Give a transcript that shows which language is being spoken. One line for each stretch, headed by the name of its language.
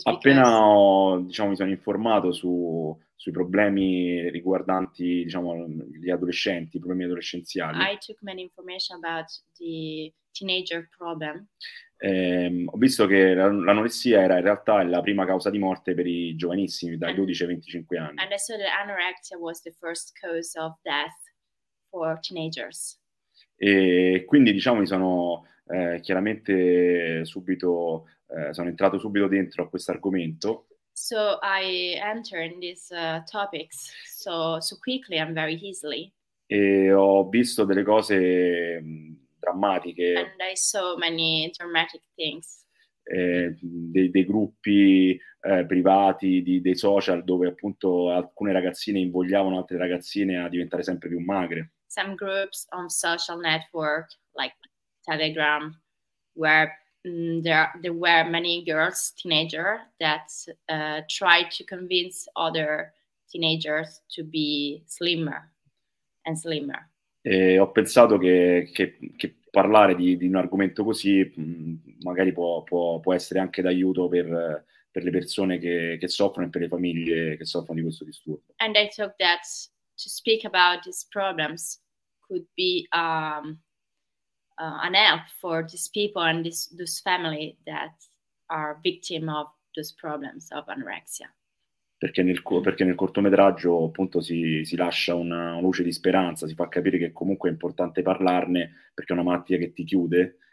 Italian: appena ho, diciamo, mi sono informato sui problemi riguardanti, diciamo, gli adolescenti, i problemi adolescenziali.
English: I took many information about the teenager problem.
Italian: Ho visto che l'anoressia era in realtà la prima causa di morte per i giovanissimi dai 12 ai 25 anni.
English: And I saw that anorexia was the first cause of death for teenagers.
Italian: E quindi, diciamo, mi sono chiaramente subito sono entrato subito dentro a questo argomento.
English: So I enter in these topics so quickly and very easily.
Italian: E ho visto delle cose drammatiche.
English: And I saw many dramatic things.
Italian: Dei gruppi privati, dei social, dove appunto alcune ragazzine invogliavano altre ragazzine a diventare sempre più magre.
English: Some groups on social network, like Telegram, where there were many girls, teenagers, that tried to convince other teenagers to be slimmer and slimmer.
Italian: E ho pensato che parlare di un argomento così magari può essere anche d'aiuto per le persone che soffrono e per le famiglie che soffrono di questo disturbo.
English: And I thought that to speak about these problems could be an help for these people and this family that are victim of those problems of anorexia.
Italian: Perché nel cortometraggio appunto si lascia una luce di speranza, si fa capire che comunque è importante parlarne perché è una malattia che ti chiude.